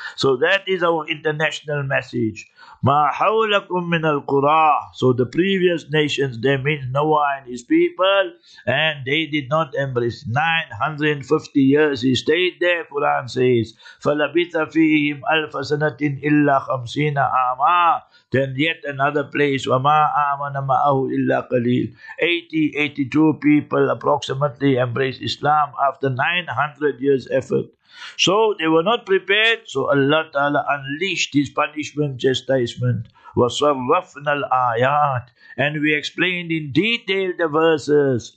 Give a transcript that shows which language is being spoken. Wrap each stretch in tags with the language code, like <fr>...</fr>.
<en>So that is our international message.</en> <ar>Ma hawlakum min al-qura.</ar> <en>So the previous nations, they mean Noah and his people, and they did not embrace. 950 years he stayed there, Quran says.</en> <ar>فَلَبِثَ فِيهِمْ أَلْفَ سَنَةٍ إِلَّا خَمْسِينَ عَامًا.</ar> <en>Then yet another place,</en> <ar>وَمَا آمَنَ مَأَهُ إِلَّا قَلِيلٌ.</ar> <en>80, 82 people approximately embraced Islam after 900 years effort. So they were not prepared, so Allah Ta'ala unleashed his punishment, chastisement.</en> <ar>وَصَرَّفْنَا الْآيَاتِ.</ar> <en>And we explained in detail the verses.</en>